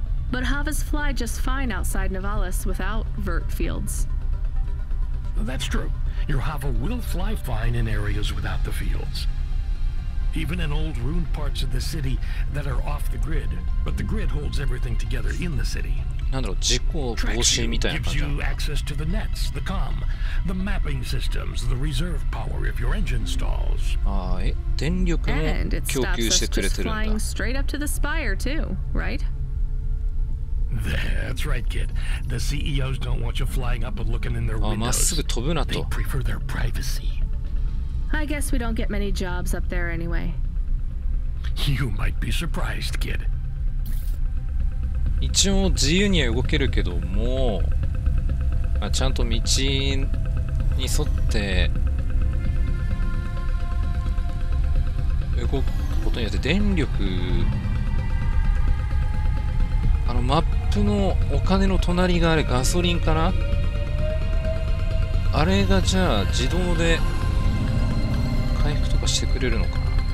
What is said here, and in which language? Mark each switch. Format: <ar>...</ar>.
<en>But Havas fly just fine outside Novalis without vert fields. That's true. Your Hava will fly fine in areas without the fields. Even in old ruined parts of the city that are off the grid. But the grid holds everything together in the city.</en> <ja>なんだろう、事故防止みたいな感じだ。</ja> <en>Gives you access to the nets, the comm, the mapping systems, the reserve power if your engine stalls.</en> <ja>ああ、え、電力も供給してくれてるんだ。</ja> <en>And it stops us just flying straight up to the spire too, right? That's right, kid. The CEOs don't want you flying up and looking in their windows. They prefer their privacy. I guess we don't get many jobs up there anyway. You might be surprised, kid.</en> <ja>一応自由には動けるけども、まあ、ちゃんと道に沿って動くことによって電力、あのマップのお金の隣があれガソリンかな、あれがじゃあ自動で回復とかしてくれるのかな。</ja>